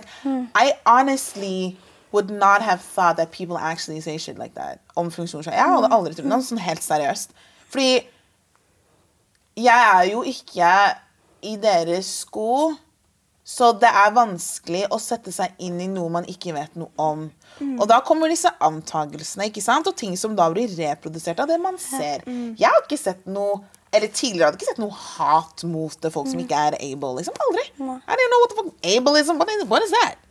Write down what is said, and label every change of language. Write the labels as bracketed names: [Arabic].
[English] Like, I honestly would not have thought that people actually say shit like that [Norwegian] om funksjonshemmede. Jeg hadde aldri trodd noen sånn helt seriøst. Fordi jeg er jo ikke i deres sko, så det er vanskelig å sette seg inn i noe man ikke vet noe om. Og da kommer disse antakelsene, ikke sant? Og ting som da blir reprodusert av det man ser. Jeg har ikke sett noe, eller tidligere hadde ikke sett noe hat mot det, folk som ikke er able, liksom aldri. [English] I don't know what the fuck ableism, what is that?